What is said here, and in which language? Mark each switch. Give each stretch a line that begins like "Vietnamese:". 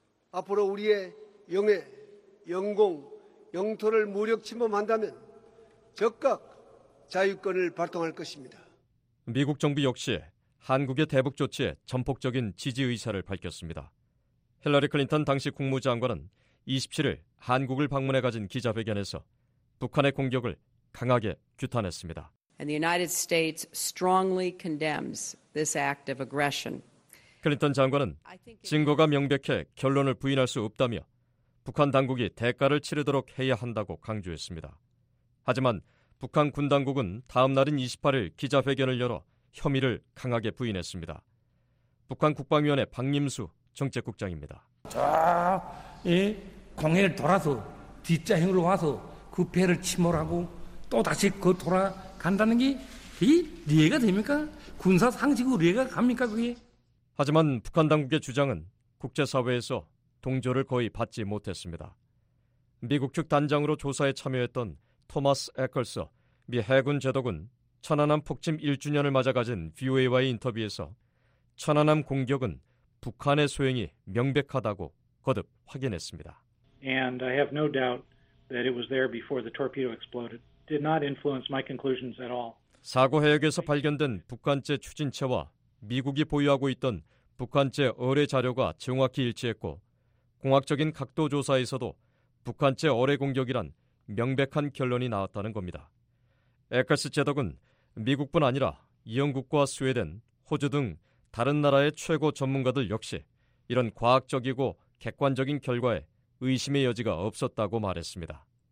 Korean: 앞으로 우리의 영해, 영공, 영토를 무력 침범한다면 적극 자유권을 발동할 것입니다. 미국 정부 역시 한국의 대북 조치에 전폭적인 지지 의사를 밝혔습니다. 힐러리 클린턴 당시 국무장관은 27일 한국을 방문해 가진 기자회견에서 북한의 공격을 강하게 규탄했습니다.
English: And the United States strongly condemns this act of aggression.
Korean: 클린턴 장관은 증거가 명백해 결론을 부인할 수 없다며 북한 당국이 대가를 치르도록 해야 한다고 강조했습니다. 하지만 북한 군 당국은 다음 날인 28일 기자회견을 열어 혐의를 강하게 부인했습니다. 북한 국방위원회 박림수 정책국장입니다. 이 공해를 돌아서 뒷좌행으로 와서 그 배를 침몰하고 또다시 그 돌아간다는 게 그게 이해가 됩니까? 군사 상식으로 이해가 갑니까 그게? 하지만 북한 당국의 주장은 국제사회에서 동조를 거의 받지 못했습니다. 미국 측 단장으로 조사에 참여했던 토마스 애컬스 미 해군 제독은 천안함 폭침 1주년을 맞아 가진 VOA와의 인터뷰에서 천안함 공격은 북한의 소행이 명백하다고 거듭 확인했습니다.
English: And I have no doubt that it was there before the torpedo exploded. Did not influence my conclusions at all.
Korean: 사고 해역에서 발견된 북한제 추진체와 미국이 보유하고 있던 북한제 어뢰 자료가 정확히 일치했고 공학적인 각도 조사에서도 북한제 어뢰 공격이란 명백한 결론이 나왔다는 겁니다. 에커스 제독은 미국뿐 아니라 영국과 스웨덴, 호주 등 다른 나라의 최고 전문가들 역시 이런 과학적이고 객관적인 결과에 의심의 여지가 없었다고 말했습니다.